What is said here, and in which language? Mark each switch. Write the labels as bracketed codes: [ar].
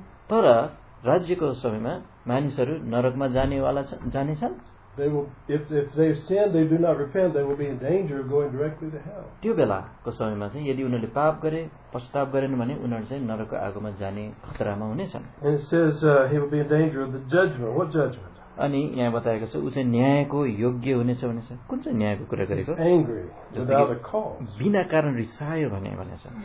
[ne] तर राज्यको समयमा मानिसहरू नरकमा जानेवाला जानेछन्. [en] They will, if they sin, they do not repent, they will be in danger of going directly to hell. [ne] त्यो बेलाको समयमा चाहिँ यदि उनीहरूले पाप गरे पश्चाताप गरेन भने उनीहरू चाहिँ नरकको आगोमा जाने खतरामा हुनेछन्. [en] And it says he will be in danger of the judgment. What judgment? [ne] अनि यहाँ बताएको छ ऊ चाहिँ न्यायको योग्य हुनेछ भनेछ. कुन चाहिँ न्यायको कुरा गरेको? [en] Angry without a cause. [ne] बिना कारण रिसायो भने भनेछ.